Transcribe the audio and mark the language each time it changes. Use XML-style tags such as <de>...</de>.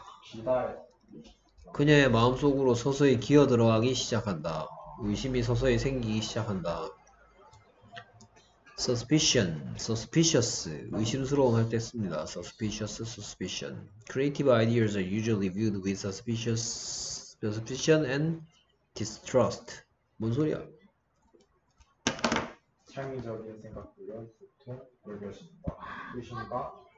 <ko>기다려. 그녀의 마음속으로 서서히 기어들어가기 시작한다. 의심이 서서히 생기기 시작한다.</ko> <en>Suspicion, suspicious.</en> <ko>의심스러움 할때 씁니다.</ko> <en>Suspicious, suspicion. Creative ideas are usually viewed with suspicion and distrust.</en> <ko>뭔 소리야? 창의적인 생각들은 보통 불교신과 의심과</ko>